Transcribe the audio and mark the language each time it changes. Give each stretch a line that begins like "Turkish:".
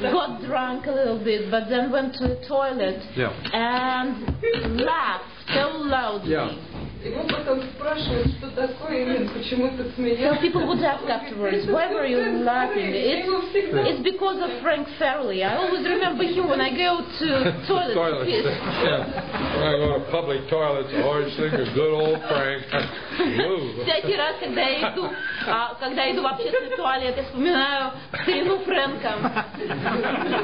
English: got drunk a little bit, but then went to the toilet and laughed so loudly. Yeah.
Russian: Его потом спрашивают, что такое, или почему ты смеялся.
English: So people would ask afterwards, why were you laughing? It's because of Frank Farrelly. I always remember him when I go to toilet. Toilet. Yeah. When I go to public toilets, I always think of good old Frank.
Russian: Всякий раз, когда я иду в общественный туалет, я вспоминаю старину Фрэнка.